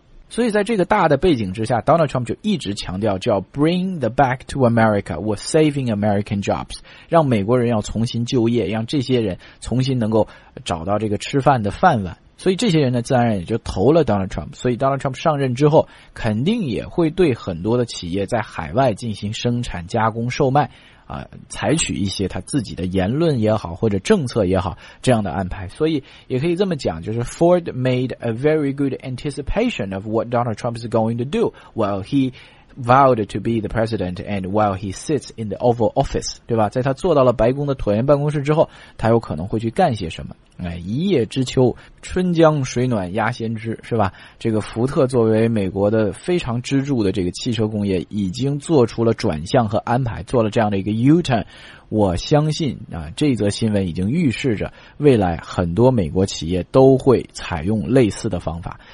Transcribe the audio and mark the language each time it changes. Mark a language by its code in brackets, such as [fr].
[zh] 所以在这个大的背景之下， Donald Trump 就一直强调叫 bring the back to America with saving American jobs，让美国人要重新就业，让这些人重新能够找到这个吃饭的饭碗。所以这些人呢，自然也就投了 Donald Trump。所以 Donald Trump 上任之后肯定也会对很多的企业在海外进行生产加工售卖采取一些他自己的言论也好或者政策也好这样的安排。 [en] 所以也可以这么讲，就是 Ford made a very good anticipation of what Donald Trump is going to do while he vowed to be the president and while he sits in the Oval Office，对吧？在他坐到了白宫的椭圆办公室之后，他有可能会去干些什么。 [zh] 一叶知秋，春江水暖鸭先知，是吧？这个福特作为美国的非常支柱的这个汽车工业，已经做出了转向和安排，做了这样的一个 U-turn。我相信啊，这则新闻已经预示着未来很多美国企业都会采用类似的方法。